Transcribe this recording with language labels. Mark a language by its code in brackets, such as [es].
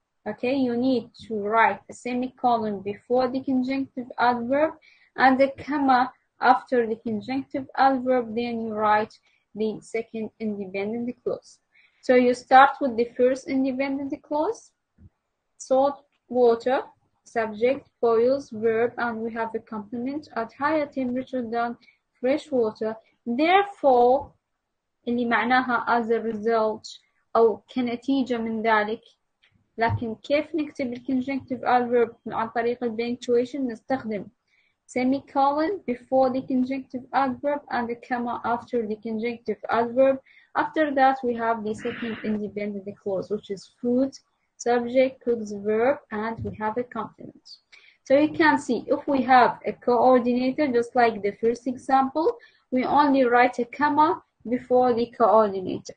[en] Okay, you need to write a semicolon before the conjunctive adverb and a comma after the conjunctive adverb, then you write the second independent clause. So you start with the first independent clause, salt water. Subject, boils, verb, and we have a complement at higher temperature than fresh water. Therefore, [ar] اللي معناها [en] as a result [ar] أو كنتيجة من ذلك. لكن كيف نكتب الconjunctive adverb عن طريق البنكتويشن؟ نستخدم [en] semicolon before the conjunctive adverb and the comma after the conjunctive adverb. After that, we have the second independent clause, which is food, subject, cooks, verb, and we have a complement. So you can see if we have a coordinator, just like the first example, we only write a comma before the coordinator.